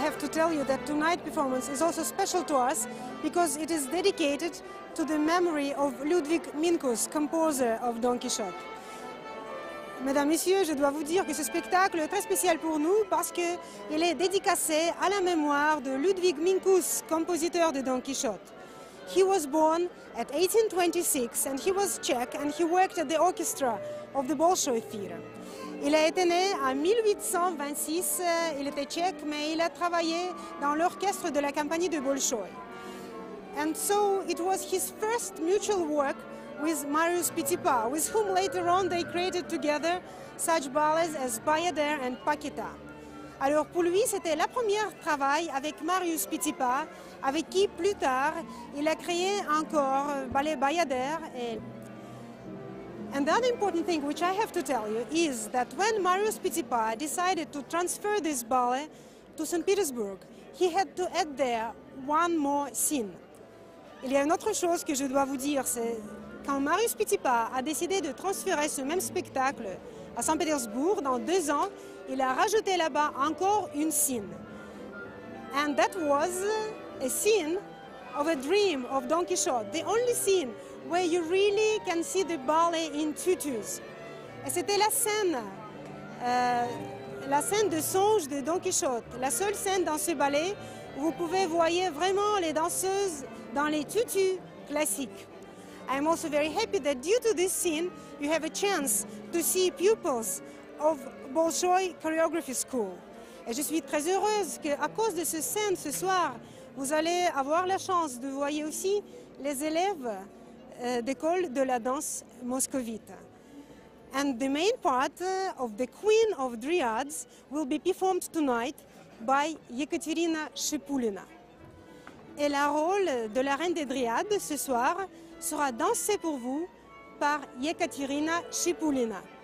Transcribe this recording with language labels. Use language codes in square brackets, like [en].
[en] Tell you that tonight's performance is also special to us because it is dedicated to the memory of Ludwig Mincus, composer of Don Quixote. [fr] Mesdames, Messieurs, je dois vous dire que ce spectacle est très spécial pour nous parce qu'il est dédicacé à la mémoire de Ludwig Mincus, compositeur de Don Quixote. [en] He was born at 1826 and he was Czech and he worked at the orchestra of the Bolshoi Theatre. [fr] Il a été né en 1826, il était tchèque, mais il a travaillé dans l'orchestre de la compagnie de Bolshoï. [en] And so it was his first mutual work with Marius Petipa, with whom later on they created together such ballets as Bayadère and Paquetá. [fr] Alors pour lui, c'était la première travail avec Marius Petipa, avec qui plus tard il a créé encore ballet Bayadère. [en] And another important thing which I have to tell you is that when Marius Petipa decided to transfer this ballet to St. Petersburg, he had to add there one more scene. [fr] Il y a une autre chose que je dois vous dire, c'est quand Marius Petipa a décidé de transférer ce même spectacle à Saint-Pétersbourg dans 2 ans, il a rajouté là-bas encore une scène. [en] And that was a scene of a dream of Don Quixote, the only scene where you really can see the ballet in tutus. [fr] Et c'était la scène de songe de Don Quixote, la seule scène dans ce ballet où vous pouvez voir vraiment les danseuses dans les tutus classiques. [en] I'm also very happy that due to this scene, you have a chance to see pupils of Bolshoi Choreography School. [fr] Et je suis très heureuse qu'à cause de ce scène ce soir, vous allez avoir la chance de voir aussi les élèves d'école de la danse moscovite. [en] And the main part of the Queen of Dryads will be performed tonight by Yekaterina Shipulina. [fr] Et le rôle de la Reine des Dryades ce soir sera dansé pour vous par Yekaterina Shipulina.